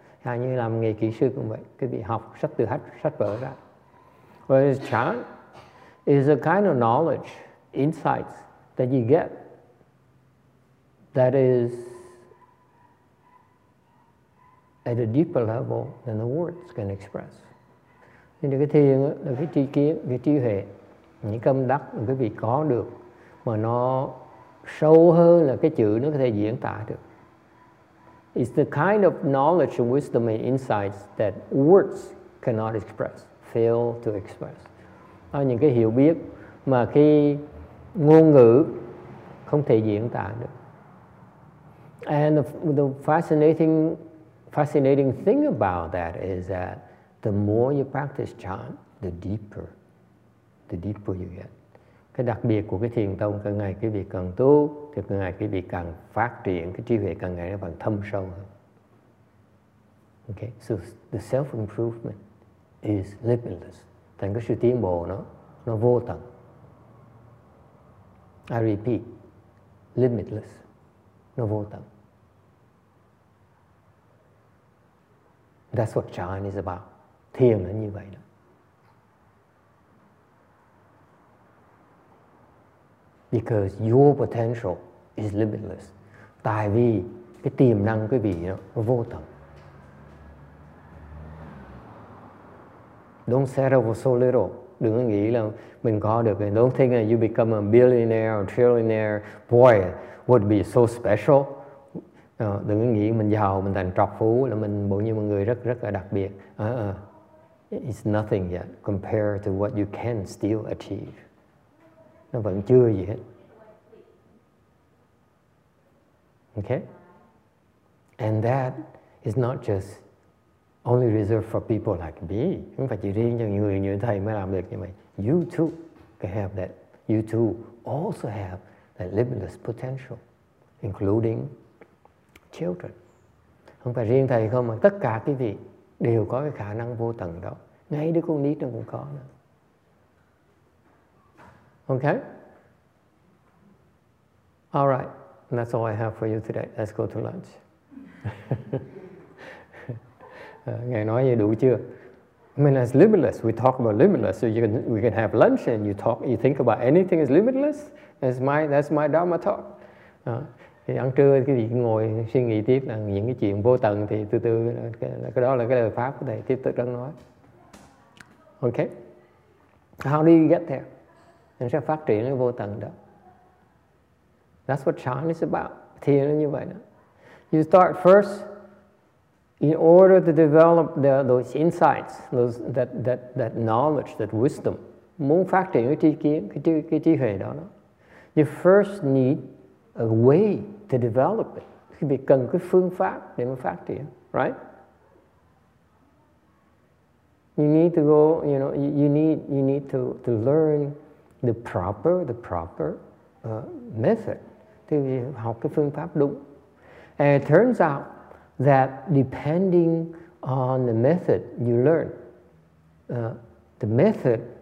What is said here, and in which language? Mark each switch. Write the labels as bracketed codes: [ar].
[vi] Hay như làm nghề kỹ sư cũng vậy, quý vị học sách từ sách vở ra. [en] Whereas chan is a kind of knowledge, insights that you get that is at a deeper level than the words can express. [vi] Nên cái thiền là cái tri kiến, cái trí huệ, những tâm đắc mà quý vị có được mà nó sâu hơn là cái chữ nó có thể diễn tả được. [en] It's the kind of knowledge and wisdom and insights that words cannot express, fail to express. [vi] Đó là những cái hiểu biết mà khi ngôn ngữ không thể diễn tả được. [en] And the fascinating thing about that is that the more you practice chan, the deeper you get. [vi] Cái đặc biệt của cái thiền tông, càng ngày cái việc càng tu, thì càng ngày cái việc càng phát triển, cái trí huệ càng ngày nó càng thâm sâu hơn. [en] Okay, so the self-improvement is limitless. [vi] Thành cái sự tiến bộ nó vô tận. [en] I repeat, limitless. [vi] Nó vô tận. [en] That's what chan is about. [vi] Thiền là như vậy đó. [en] Because your potential is limitless. [vi] Tại vì cái tiềm năng quý vị đó, nó vô tận. [en] Don't settle for so little. [vi] Đừng có nghĩ là mình có được. [en] Don't think that you become a billionaire or trillionaire. Boy, would be so special. [vi] Đừng có nghĩ mình giàu, mình thành trọc phú là mình bộ như một người rất rất là đặc biệt. [en] It's nothing yet compared to what you can still achieve. [vi] Nó vẫn chưa gì hết. [en] Okay? And that is not just only reserved for people like me. [vi] Không phải chỉ riêng cho những người như thầy mới làm được như vậy. [en] You too can have that. You too also have that limitless potential, including children. [vi] Không phải riêng thầy không, mà tất cả quý vị đều có cái khả năng vô tận đó. Ngay đứa con nít nó cũng có. [en] Okay? All right. That's all I have for you today. Let's go to lunch. [vi] Ngài nói vậy đủ chưa? [en] I mean, it's limitless. We talk about limitless. So we can have lunch and you think about anything is limitless. That's my Dharma talk. [vi] Thì ăn trưa cái gì ngồi suy nghĩ tiếp là những cái chuyện vô tận thì từ cái đó là cái lời pháp của thầy tiếp tục đang nói. [en] Okay. How do you get there? [vi] Mình sẽ phát triển cái vô tận đó. [en] That's what chan is about. [vi] Thiền là như vậy đó. [en] You start first in order to develop those insights, that knowledge, that wisdom. [vi] Muốn phát triển cái trí kiến, cái trí huệ đó. [en] You first need a way to develop it. [vi] Quý vị cần cái phương pháp để mà phát triển, right? [en] You need to go, you know, you need to learn the proper method. [vi] Thì học cái phương pháp đúng. [en] And it turns out that depending on the method you learn, the method